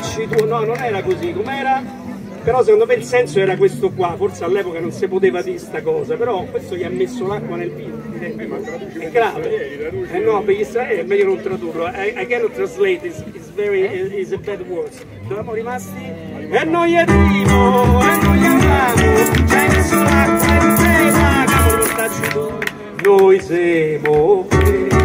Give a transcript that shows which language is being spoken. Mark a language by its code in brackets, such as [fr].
[it] Tuo. No, non era così, com'era? Però secondo me il senso era questo qua, forse all'epoca non si poteva dire sta cosa, però questo gli ha messo l'acqua nel vino. È grave. Eh no, per gli stranieri è meglio non tradurlo. [en] I cannot translate, it's very, it's a bad word. [it] Siamo rimasti? E noi arrivo, e noi andiamo, c'è messo l'acqua in tema, cavolo, mortacci tu. Noi siamo qui.